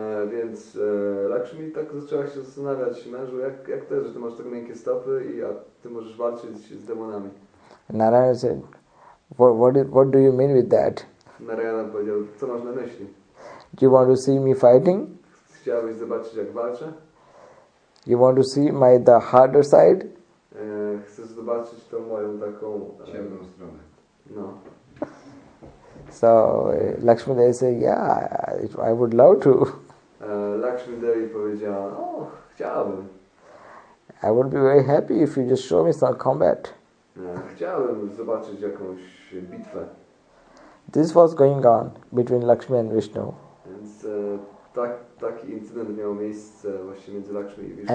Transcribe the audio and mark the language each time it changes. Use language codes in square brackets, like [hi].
[pl] Więc Lakshmi tak zaczęła się zastanawiać, mężu, jak to jest, że ty masz tak miękkie stopy i a ty możesz walczyć z demonami. [en] Narayana said, what do you mean with that? [pl] Narayana powiedział, co masz na myśli? [en] Do you want to see me fighting? [pl] Chciałbyś zobaczyć, jak walczę? [en] You want to see my the harder side? [pl] Chcesz zobaczyć tą moją taką ciemną stronę. No. [en] So Lakshmi Devi said, yeah, I would love to. [pl] Lakshmi Devi powiedziała, chciałbym. [en] I would be very happy if you just show me some combat. [pl] Chciałbym zobaczyć jakąś bitwę. [en] This was going on between Lakshmi and Vishnu. [pl] Więc taki incydent miał miejsce właśnie między Lakshmi i Vishnu.